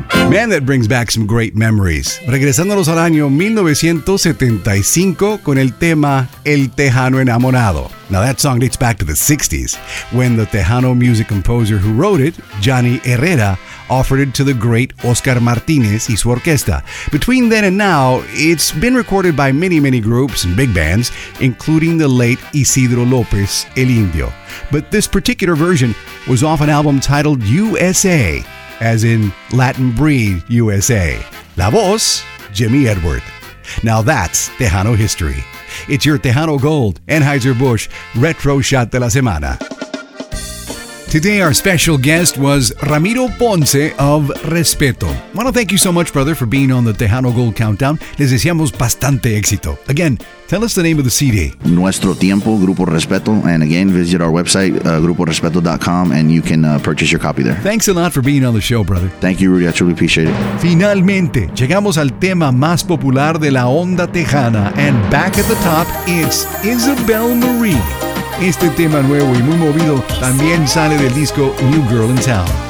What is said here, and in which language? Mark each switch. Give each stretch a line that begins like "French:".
English: Man, that brings back some great memories.
Spanish: Regresándonos al año 1975 con el tema El Tejano Enamorado.
English: Now that song dates back to the 60s when the Tejano music composer who wrote it, Johnny Herrera, offered it to the great Oscar Martinez y su orquesta. Between then and now, it's been recorded by many, many groups and big bands, including the late Isidro López, El Indio. But this particular version was off an album titled USA, as in Latin breed USA.
Spanish: La voz,
English: Jimmy Edward. Now that's Tejano history. It's your Tejano Gold, Anheuser-Busch, Retro Shot
Spanish: de la Semana.
English: Today, our special guest was Ramiro Ponce of Respeto. I want to thank you so much, brother, for being on the Tejano Gold Countdown.
Spanish: Les deseamos bastante éxito.
English: Again, tell us the name of the CD. Nuestro Tiempo, Grupo Respeto. And again, visit our website, gruporespeto.com, and you can purchase your copy there. Thanks a lot for being on the show, brother. Thank you, Rudy. I truly appreciate it.
Spanish: Finalmente, llegamos al tema más popular de la onda tejana.
English: And back at the top, it's Isabel Marie.
Spanish: Este tema nuevo y muy movido también sale del disco New Girl in Town.